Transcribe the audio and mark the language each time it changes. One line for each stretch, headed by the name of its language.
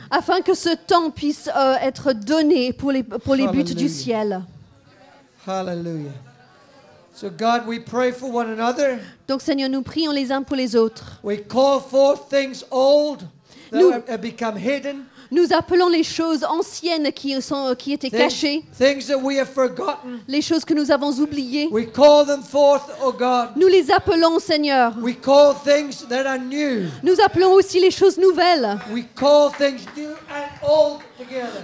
French: Afin que ce temps puisse être donné pour les buts du ciel.
English: Hallelujah. So God, we pray for one another.
French: Donc Seigneur, nous prions les uns pour les autres.
English: We call forth things old that have become hidden.
French: Nous appelons les choses anciennes qui étaient cachées.
English: Things that we have forgotten.
French: Les choses que nous avons oubliées.
English: We call them forth, oh God.
French: Nous les appelons, Seigneur.
English: We call things that are new.
French: Nous appelons aussi les choses nouvelles.
English: We call things new and old together.